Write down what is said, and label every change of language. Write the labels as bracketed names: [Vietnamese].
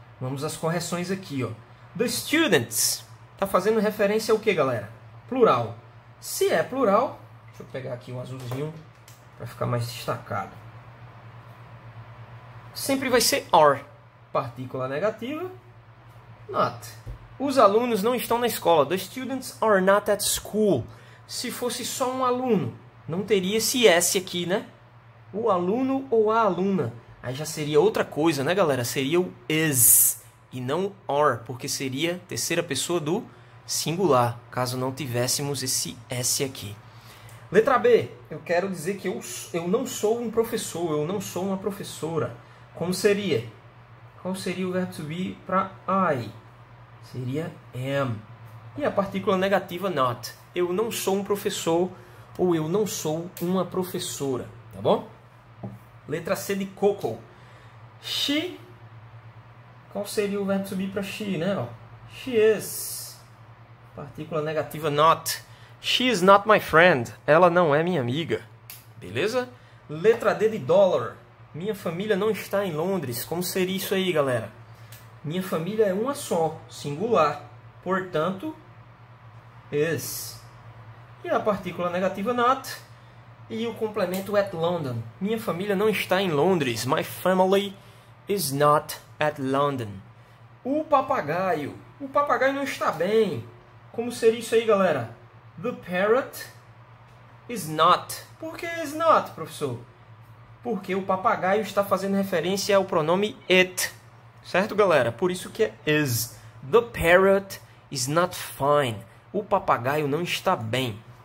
[Portuguese] Vamos às correções aqui, ó. [English] The students. [Portuguese] Tá fazendo referência ao quê, galera? Plural. Se é plural, deixa eu pegar aqui um azulzinho para ficar mais destacado. Sempre vai ser are. Partícula negativa. Not. Os alunos não estão na escola. [English] The students are not at school. [Portuguese] Se fosse só um aluno, não teria esse S aqui, né? O aluno ou a aluna. Aí já seria outra coisa, né, galera? Seria o is e não are, porque seria terceira pessoa do singular, caso não tivéssemos esse S aqui. Letra B. Eu quero dizer que eu não sou um professor, eu não sou uma professora. Como seria? Qual seria o verbo to be para I? Seria am. E a partícula negativa not. Eu não sou um professor ou eu não sou uma professora. Tá bom? Letra C de Coco. She. Qual seria o verbo to be para she, né? [English] She is. [Portuguese] Partícula negativa not. [English] She is not my friend. [Portuguese] Ela não é minha amiga. Beleza? Letra D de dollar. Minha família não está em Londres. Como seria isso aí, galera? Minha família é uma só, singular. Portanto, is. E a partícula negativa not. E o complemento [English] at London. [Portuguese] Minha família não está em Londres. [English] My family is not at London. [Portuguese] O papagaio. O papagaio não está bem. Como seria isso aí, galera? [English] The parrot is not. [Portuguese] Por que is not, professor? Porque o papagaio está fazendo referência ao pronome it. Certo, galera? Por isso que é is. [English] The parrot is not fine. [Portuguese] O papagaio não está bem.